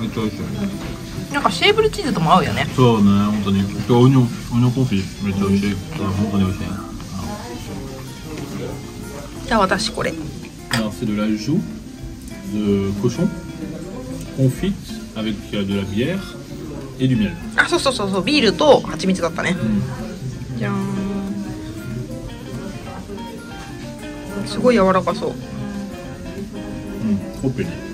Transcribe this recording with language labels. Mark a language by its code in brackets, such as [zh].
[ja] うん、めっちゃ美味しい。なんかシェーブルチーズとも合うよね。そうね、本当に。今日オニオンコンフィめっちゃ美味しい。本当に美味しい。じゃあ私これ。 [fr] Alors c'est de la joue de cochon confite avec de la bière et du miel。 [ja] あ、そうそうそうそう、ビールと蜂蜜だったね。うん、じゃん。すごい柔らかそう。うん、ほっぺに。